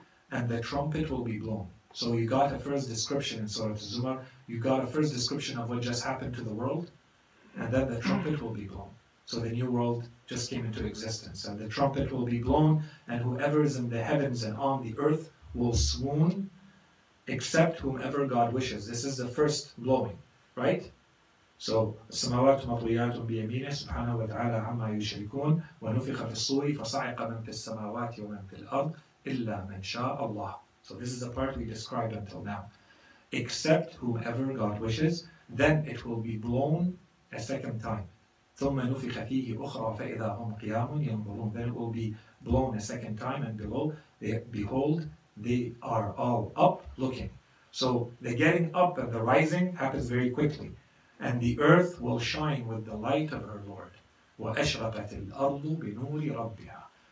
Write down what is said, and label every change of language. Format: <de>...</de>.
<en>And the trumpet will be blown. So you got a first description in Surah Az-Zumar, you got a first description of what just happened to the world, and then the trumpet will be blown. So the new world just came into existence. And the trumpet will be blown, and whoever is in the heavens and on the earth will swoon accept whomever God wishes. This is the first blowing, right?</en> <ar>So, السماوات مطويات بيمينه سبحانه وتعالى عما يشركون ونفخ في الصور فصعق من في السماوات ومن في الأرض إلا من شاء الله.</ar> <en>So this is the part we described until now. Accept whomever God wishes, then it will be blown a second time.</en> <ar>ثم نفخ فيه أخرى فإذا هم قيام ينظرون.</ar> <en>Then it will be blown a second time, and below, behold, they are all up looking. So the getting up and the rising happens very quickly. And the earth will shine with the light of her Lord.</en> <ar>وَأَشْرَقَتِ الْأَرْضُ بِنُورِ رَبِّهَا.</ar>